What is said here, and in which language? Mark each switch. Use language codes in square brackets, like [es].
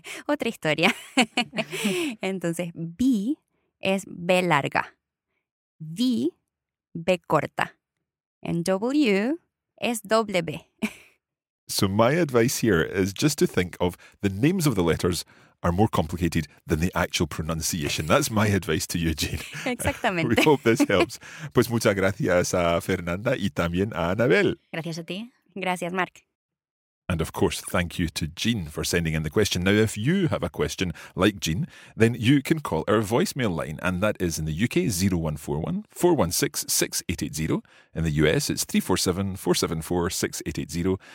[es] Otra historia. Entonces, B es B larga. V, B corta. And W es doble B. [en] So my advice here is just to think of the names of the letters are more complicated than the actual pronunciation. That's my advice to you, Jean. [es] Exactamente. [en] We hope this helps. [es] Pues muchas gracias a Fernanda y también a Anabel. Gracias a ti. Gracias, Mark. [en] And of course, thank you to Jean for sending in the question. Now, if you have a question like Jean, then you can call our voicemail line. And that is in the UK, 0141 416 6880. In the US, it's 347 474 6880.